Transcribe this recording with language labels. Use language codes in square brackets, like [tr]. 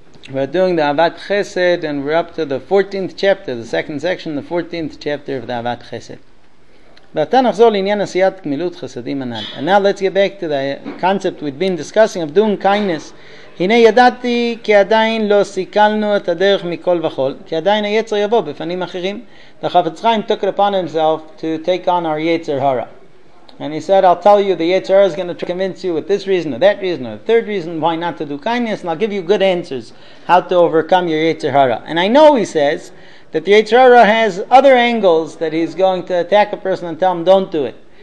[en] We're doing the Avat Chesed, and we're up to the 14th chapter, the second section, the 14th chapter of the Avat Chesed. And now let's get back to the concept we've been discussing of doing kindness. [he] הנה ידעתי כי עדיין לא סיכלנו את הדרך מכל וכל, כי עדיין היצר יבוא בפנים אחרים. [en] וחפץ חיים took it upon himself to take on our יצר הרע. And he said, I'll tell you, the Yetzirah is going to convince you with this reason, or that reason, or the third reason why not to do kindness, and I'll give you good answers how to overcome your Yetzirah. And I know, he says, that the Yetzirah has other angles that he's going to attack a person and tell him, don't do it.